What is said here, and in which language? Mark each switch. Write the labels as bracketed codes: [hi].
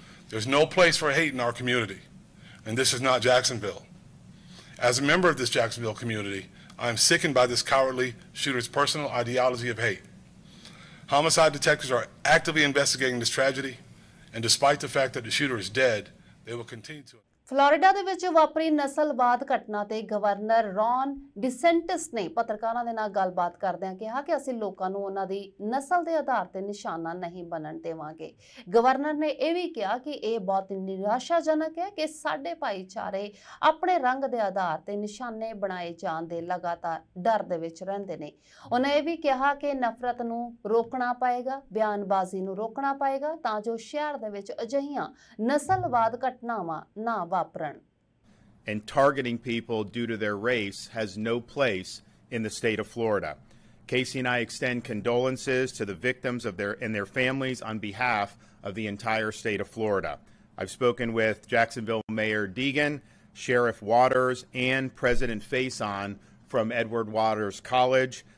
[en] There's no place for hate in our community, and this is not Jacksonville. As a member of this Jacksonville community, I am sickened by this cowardly shooter's personal ideology of hate. Homicide detectives are actively investigating this tragedy, and despite the fact that the shooter is dead, they will continue to... [pa] Florida ਦੇ ਵਿੱਚ ਵਾਪਰੀ ਨਸਲਵਾਦ ਘਟਨਾ ਤੇ governor Ron ਡਿਸੈਂਟਿਸ ਨੇ ਪੱਤਰਕਾਰਾਂ ਦੇ ਨਾਲ ਗੱਲਬਾਤ ਕਰਦਿਆਂ ਕਿਹਾ ਕਿ ਅਸੀਂ ਲੋਕਾਂ ਨੂੰ ਉਹਨਾਂ ਦੀ ਨਸਲ ਦੇ ਆਧਾਰ ਤੇ ਨਿਸ਼ਾਨਾ ਨਹੀਂ ਬਣਨ ਦੇਵਾਂਗੇ। ਗਵਰਨਰ ਨੇ ਇਹ ਵੀ ਕਿਹਾ ਕਿ ਇਹ ਬਹੁਤ ਨਿਰਾਸ਼ਾਜਨਕ ਹੈ ਕਿ ਸਾਡੇ ਭਾਈਚਾਰੇ ਆਪਣੇ ਰੰਗ ਦੇ ਆਧਾਰ ਤੇ ਨਿਸ਼ਾਨੇ ਬਣਾਏ ਜਾਣ ਦੇ ਲਗਾਤਾਰ ਡਰ ਦੇ ਵਿੱਚ ਰਹਿੰਦੇ ਨੇ। ਉਹਨਾਂ ਇਹ ਵੀ ਕਿਹਾ ਕਿ ਨਫ਼ਰਤ ਨੂੰ ਰੋਕਣਾ ਪਏਗਾ, ਬਿਆਨਬਾਜ਼ੀ ਨੂੰ ਰੋਕਣਾ ਪਏਗਾ ਤਾਂ ਜੋ ਸ਼ਹਿਰ ਦੇ ਵਿੱਚ ਅਜਿਹੀਆਂ ਨਸਲਵਾਦ ਘਟਨਾਵਾਂ ਨਾ ਵਾਪਰਨ। [en] And targeting people due to their race has no place in the state of Florida. Casey and I extend condolences to the victims of their families on behalf of the entire state of Florida. I've spoken with Jacksonville Mayor Deegan, Sheriff Waters, and President Faison from Edward Waters College.